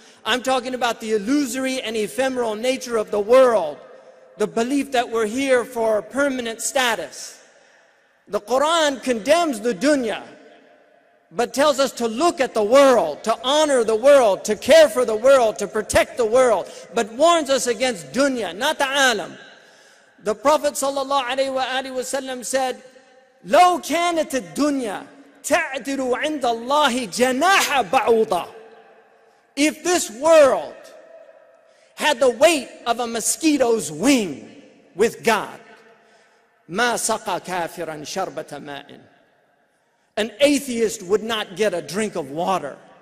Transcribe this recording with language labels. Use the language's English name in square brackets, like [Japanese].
[English] I'm talking about the illusory and ephemeral nature of the world, the belief that we're here for permanent status. The Quran condemns the dunya, but tells us to look at the world, to honor the world, to care for the world, to protect the world, but warns us against dunya, not the alam. The Prophet ﷺ said, [Arabic] لَوْ كَانَتِ الدُّنْيَا تَعْدِرُ عِنْدَ اللَّهِ جَنَاحَ بَعُوضًا. [English] If this world had the weight of a mosquito's wing with God, [Arabic] مَا سَقَى كَافِرًا شَرْبَةَ مَاءٍ. [English] An atheist would not get a drink of water.